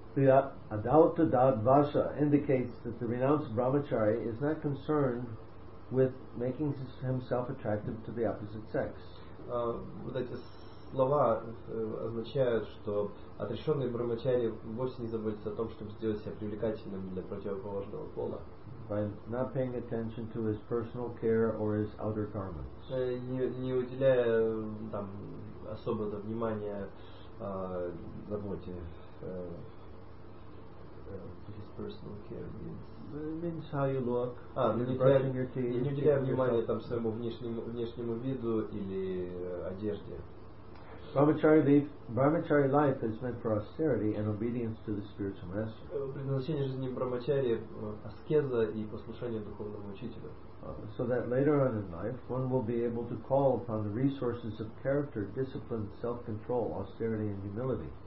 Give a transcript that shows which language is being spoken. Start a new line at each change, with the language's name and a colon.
English: The adauta dadvasa indicates that the renounced brahmacharya is not concerned with making himself attractive to the opposite sex.
Russian: Вот эти слова означают, что отрешенный брахмачари вовсе не заботится о том, чтобы сделать себя привлекательным для противоположного пола.
English: By not paying attention to his personal care or his outer garments.
Russian: Не уделяя там особого внимания заботе.
English: His personal care means how you look, brushing your teeth.
Russian: Не уделяя внимания там своему внешнему виду или одежде.
English: Brahmachari life is meant for austerity and obedience to the spiritual master.
Russian: Предназначение жизни брахмачари — аскеза и послушание духовному учителю.
English: So that later on in life one will be able to call upon the resources of character, discipline, self-control, austerity and humility.